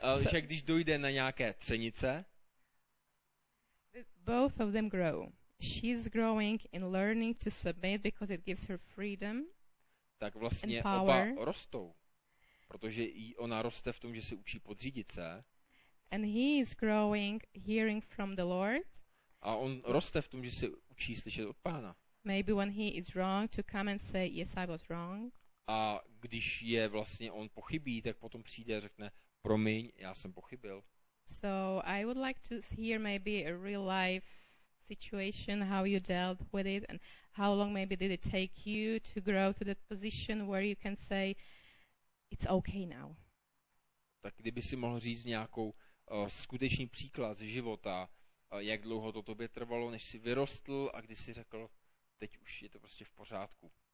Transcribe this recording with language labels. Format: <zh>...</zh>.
<cs>Že když dojde na nějaké třenice,</cs> <en>both of them grow. She's growing in learning to submit because it gives her freedom.</en> <cs>Tak vlastně oba rostou, protože i ona roste v tom, že se učí podřídit se.</cs> <en>And he is growing hearing from the Lord.</en> <cs>A on roste v tom, že se učí slyšet od Pána.</cs> <en>Maybe when he is wrong to come and say yes, I was wrong.</en> <cs>A když je vlastně on pochybí, tak potom přijde a řekne: "Promiň, já jsem pochybil."</cs> <en>So I would like to hear maybe a real life situation, how you dealt with it, and how long maybe did it take you to grow to that position where you can say it's okay now.</en> <cs>Tak kdyby si mohl říct nějakou skutečný příklad ze života, jak dlouho to tobě trvalo, než jsi vyrostl a kdy jsi řekl, teď už je to prostě v pořádku.</cs>